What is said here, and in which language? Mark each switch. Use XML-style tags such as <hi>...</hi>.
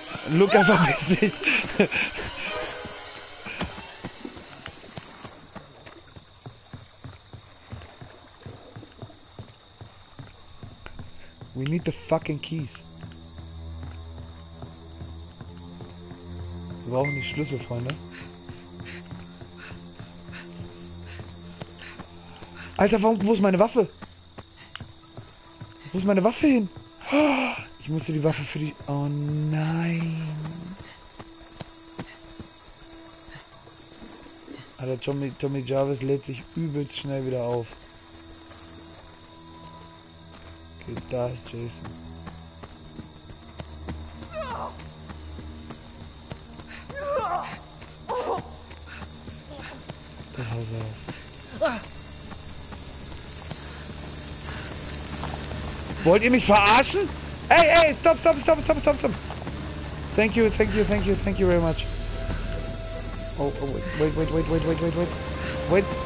<de>Luca, verpiss dich.</de> <en>We need the fucking keys.</en> <de>Wir brauchen die Schlüssel, Freunde. Alter, warum, wo ist meine Waffe? Wo ist meine Waffe hin? Ich musste die Waffe für die... Oh nein. Alter, Tommy Jarvis lädt sich übelst schnell wieder auf. Okay, da ist Jason. Da haut er auf. Wollt ihr mich verarschen?</de> <en>Hey, hey, stop, stop, stop, stop, stop, stop. Thank you, thank you, thank you, thank you very much. Oh, oh wait, wait, wait, wait, wait, wait, wait, wait.</en>